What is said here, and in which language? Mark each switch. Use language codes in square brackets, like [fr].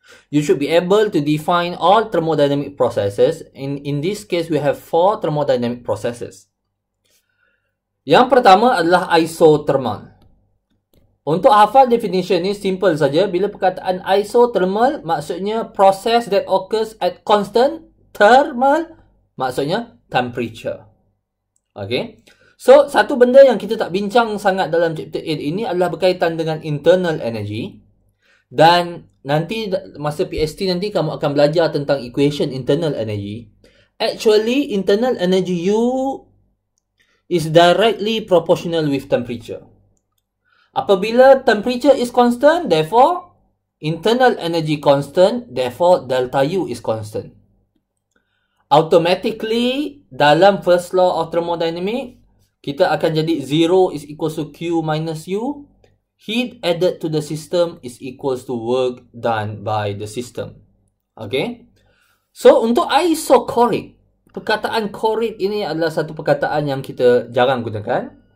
[en] You should be able to define all thermodynamic processes. In this case, we have four thermodynamic processes. [ms] Yang pertama adalah isothermal. Untuk hafal [en] definition ni, simple saja. [ms] Bila perkataan [en] isothermal, maksudnya process that occurs at constant thermal, maksudnya temperature. Okay. [ms] So, satu benda yang kita tak bincang sangat dalam chapter 8 ini adalah berkaitan dengan internal energy. Dan nanti, masa PST nanti, kamu akan belajar tentang equation internal energy. [en] Actually, internal energy U is directly proportional with temperature. Apabila temperature is constant, therefore, internal energy constant, therefore, delta U is constant. Automatically, dalam first law of thermodynamics, [ms] kita akan jadi [en] 0 is equals to Q minus U. Heat added to the system is equals to work done by the system. Okay? [ms] So, untuk isochoric, perkataan choric ini adalah satu perkataan yang kita jarang gunakan.